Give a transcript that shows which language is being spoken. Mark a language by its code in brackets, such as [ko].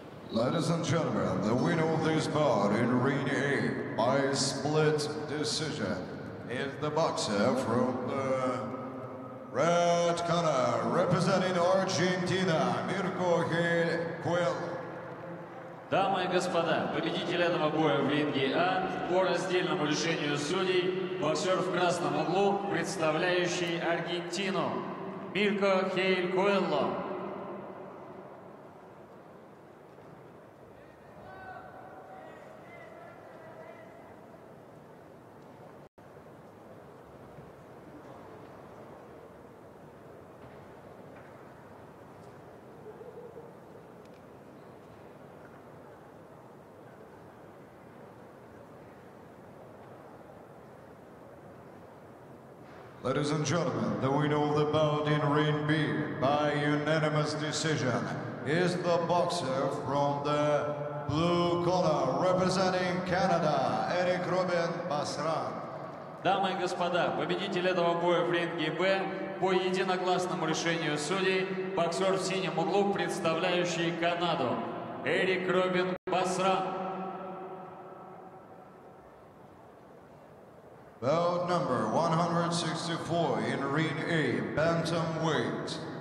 [en] Ladies and gentlemen, the winner of this bout in ring A by split decision is the boxer from the red corner representing Argentina, Mirko Gil Quill. [ru] Дамы и господа, победитель этого боя в ринге А по раздельному решению судей, боксер в красном углу, представляющий Аргентину, Мирко Гейл Куэлло. [en] Ladies and gentlemen, the winner of the bout in ring B by unanimous decision is the boxer from the blue collar representing Canada, Eric Robin Basran. [ru] Дамы и господа, победитель этого боя в ринге Б по единогласному решению судей, боксер в синем углу, представляющий Канаду, Эрик Робин Басран. [en] Bout number 164 in ring A, bantamweight.